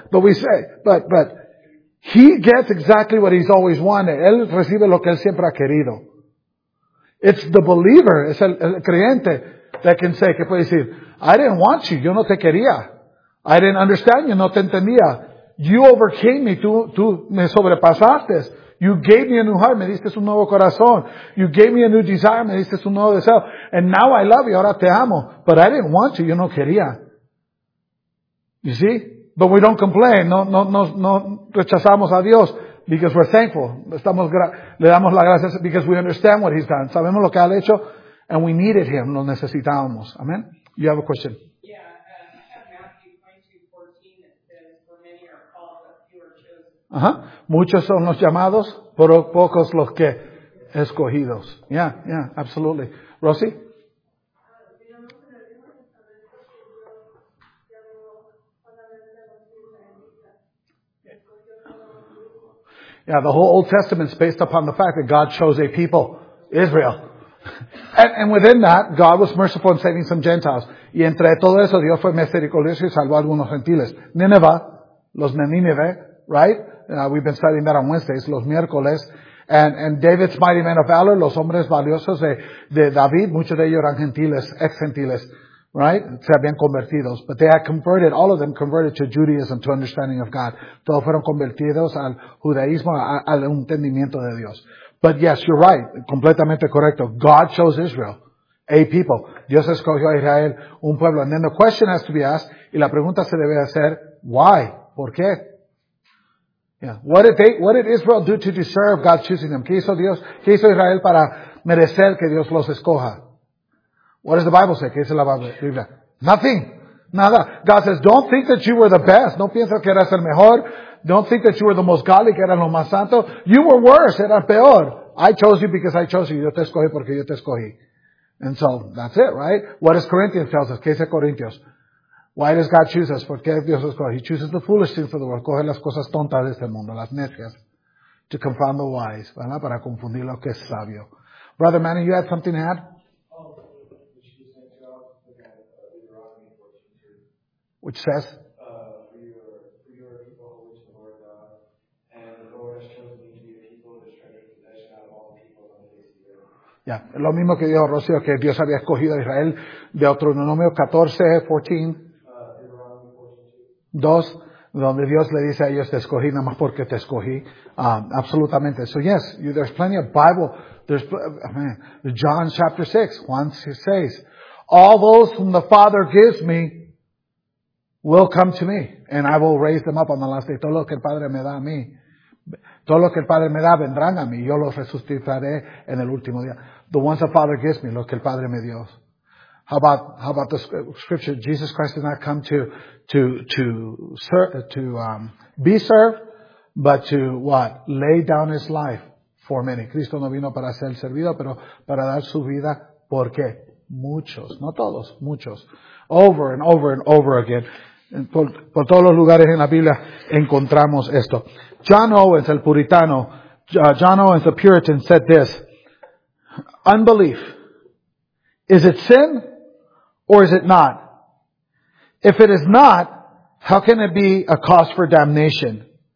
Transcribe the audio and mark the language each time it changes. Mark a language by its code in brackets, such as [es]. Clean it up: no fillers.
[en] But we say, but he gets exactly what he's always wanted. [es] Él recibe lo que él siempre ha querido. [en] It's the believer, [es] es el creyente, [en] that can say, [es] que puede decir, [en] I didn't want you, [es] yo no te quería. [en] I didn't understand you, [es] no te entendía. [en] You overcame me, [es] tú me sobrepasaste. [en] You gave me a new heart, [es] me diste un nuevo corazón. [en] You gave me a new desire, [es] me diste un nuevo deseo. [en] And now I love you, [es] ahora te amo. [en] But I didn't want you, [es] yo no quería. [en] You see? But we don't complain, [es] no rechazamos a Dios. [en] Because we're thankful. [es] Le damos la gracia. [en] Because we understand what he's done. [es] Sabemos lo que ha hecho. [en] And we needed him. [es] Lo necesitábamos. [en] Amen. You have a question. Yeah. I have Matthew 22:14. It says, for many are called, but few are chosen. Uh-huh. [es] Muchos son los llamados, pero pocos los que escogidos. [en] Yeah. Yeah. Absolutely. Rosy. Yeah, the whole Old Testament is based upon the fact that God chose a people, Israel. And within that, God was merciful in saving some Gentiles. [es] Y entre todo eso, Dios fue misericordioso y salvó algunos gentiles. [en] Nineveh, los Nínive, right? We've been studying that on Wednesdays, [es] los miércoles. [en] And David's mighty men of valor, [es] los hombres valiosos de David, muchos de ellos eran gentiles, ex-gentiles, right? Se habían convertido. [en] But they had converted, all of them converted to Judaism, to understanding of God. [es] Todos fueron convertidos al judaísmo, al entendimiento de Dios. [en] But yes, you're right. [es] Completamente correcto. [en] God chose Israel. A people. [es] Dios escogió a Israel, un pueblo. [en] And then the question has to be asked, [es] y la pregunta se debe hacer, why? ¿Por qué? Yeah. [en] What did Israel do to deserve God choosing them? [es] ¿Qué hizo Dios? ¿Qué hizo Israel para merecer que Dios los escoja? [en] What does the Bible say? [es] ¿Qué dice la Biblia? [en] Nothing. [es] Nada. [en] God says, don't think that you were the best. [es] No piensas que eras el mejor. [en] Don't think that you were the most godly, [es] que eras lo más santo. [en] You were worse. [es] Eras peor. [en] I chose you because I chose you. [es] Yo te escogí porque yo te escogí. [en] And so, that's it, right? What does Corinthians tell us? [es] ¿Qué dice Corintios? [en] Why does God choose us? [es] ¿Por qué Dios escoge? [en] He chooses the foolish things of the world. [es] Coge las cosas tontas de este mundo, las necias. [en] To confound the wise, ¿verdad? [es] Para confundir lo que es sabio. [en] Brother Manny, you had something to add? Which says, for your people, which the Lord God, and the Lord has chosen me to be a people of his treasured possession out of all the people on the face of the earth. [es] Yeah, lo mismo que dijo Rocío, que Dios había escogido a Israel de Deuteronomio 14:14-2, donde Dios le dice a ellos, te escogí nada más porque te escogí. [en] Absolutamente. So yes, there's plenty of Bible. There's John chapter 6, Juan 6. All those whom the Father gives me will come to me, and I will raise them up on the last day. [es] Todo lo que el Padre me da a mí, todo lo que el Padre me da, vendrán a mí. Yo los resucitaré en el último día. [en] The ones the Father gives me, [es] lo que el Padre me dio. [en] How about the scripture? Jesus Christ did not come to be served, but to what? Lay down his life for many. [es] Cristo no vino para ser servido, pero para dar su vida. ¿Por qué? Muchos, no todos, muchos. [en] Over and over and over again. [es] Por todos los lugares en la Biblia encontramos esto. [en] John Owens, [es] el puritano, [en] John Owens, the Puritan, said this. Unbelief. Is it sin or is it not? If it is not, how can it be a cause for damnation?